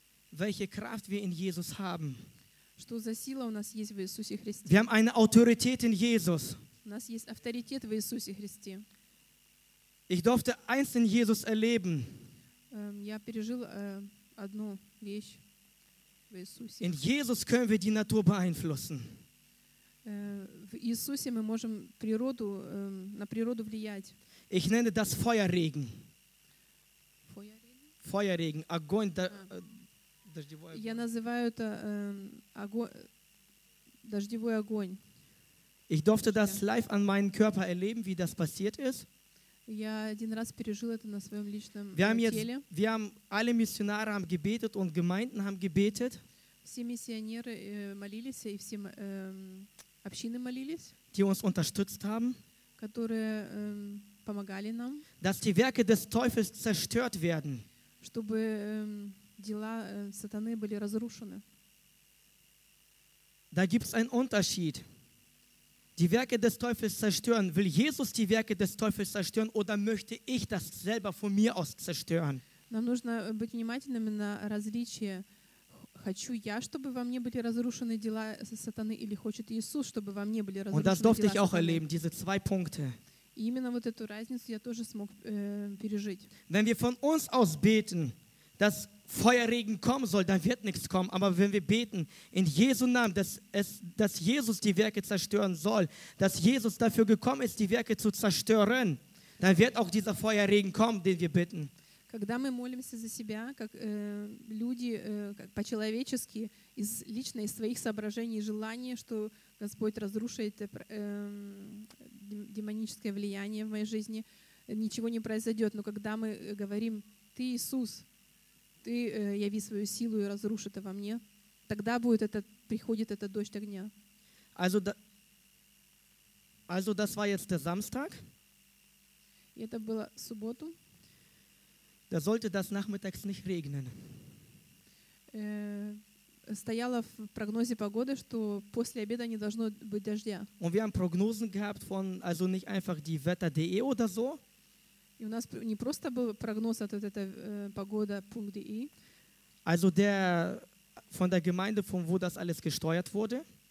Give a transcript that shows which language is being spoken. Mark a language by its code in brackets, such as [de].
[de] Welche Kraft wir in Jesus haben. [ru] Что за сила у нас есть в Иисусе Христе. [de] Wir haben eine Autorität in Jesus. [ru] У нас есть авторитет в Иисусе Христе. [de] Ich durfte eins in Jesus erleben. [ru] Я пережил одну вещь в Иисусе. [de] In Jesus können wir die Natur beeinflussen. [ru] В Иисусе мы можем природу, на природу влиять. [de] Ich nenne das Feuerregen. Feuerregen? Feuerregen, [ru] огонь, дождевой огонь. Я называю это дождевой огонь. [de] Ich durfte das live an meinem Körper erleben, wie das passiert ist. [ru] Я один раз пережил это на своем личном теле. [de] Wir haben alle Missionare haben gebetet und Gemeinden haben gebetet. [ru] Все миссионеры молились и все общины молились. [de] Die uns unterstützt haben. [ru] Которые помогали нам. [de] Dass die Werke des Teufels zerstört werden. [ru] Чтобы дела сатаны были разрушены. [de] Da gibt's einen Unterschied. Die Werke des Teufels zerstören. Will Jesus die Werke des Teufels zerstören oder möchte ich das selber von mir aus zerstören? [ru] Нам нужно быть внимательными на различие. Хочу я, чтобы во мне были разрушены дела сатаны, или хочет Иисус, чтобы во мне были разрушены [de] Und das durfte ich auch erleben, diese zwei Punkte. [ru] И именно вот эту разницу я тоже смог пережить. [de] Wenn wir von uns aus beten, dass Feuerregen kommen soll, dann wird nichts kommen. Aber wenn wir beten in Jesu Namen, dass Jesus die Werke zerstören soll, dass Jesus dafür gekommen ist, die Werke zu zerstören, dann wird auch dieser Feuerregen kommen, den wir bitten. [ru] Когда мы молимся за себя, как люди, как по-человечески, из лично из своих соображений и желаний, что Господь разрушит демоническое влияние в моей жизни, ничего не произойдет. Но когда мы говорим: «Ты Иисус, ты яви свою силу и разруши это во мне», тогда будет этот, приходит этот дождь огня. [de] Also das war jetzt der Samstag. [ru] И это было в субботу. [de] Da sollte das nachmittags nicht regnen. [ru] Стояло в прогнозе погоды, что после обеда не должно быть дождя. [de] Und wir haben Prognosen gehabt von, also nicht einfach die Wetter.de oder so. [ru] И у нас не просто был прогноз от этой погода.de. [de] Also der von der Gemeinde, von wo das alles gesteuert wurde.